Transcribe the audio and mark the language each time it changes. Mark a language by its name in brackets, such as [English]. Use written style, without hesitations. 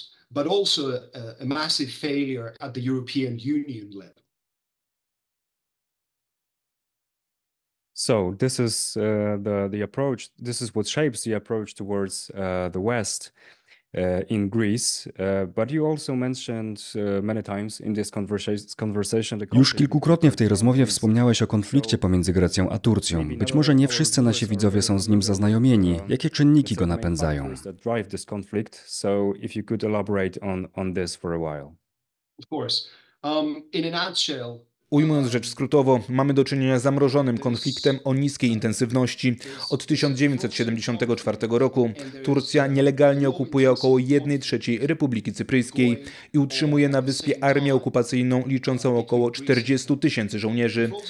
[English] But also a massive failure at the European Union level. So this is the approach. This is what shapes the approach towards the West in Greece. But you also mentioned many times in this conversation. [Polish] Już kilkukrotnie w tej rozmowie wspomniałeś o konflikcie pomiędzy Grecją a Turcją. Być może nie wszyscy nasi widzowie są z nim zaznajomieni. Jakie czynniki go napędzają? [English] Drive this conflict. So if you could elaborate on this for a while. Of course. In a nutshell. [Polish] Ujmując rzecz skrótowo, mamy do czynienia z zamrożonym konfliktem o niskiej intensywności. Od 1974 roku Turcja nielegalnie okupuje około 1/3 Republiki Cypryjskiej i utrzymuje na wyspie armię okupacyjną liczącą około 40 tysięcy żołnierzy.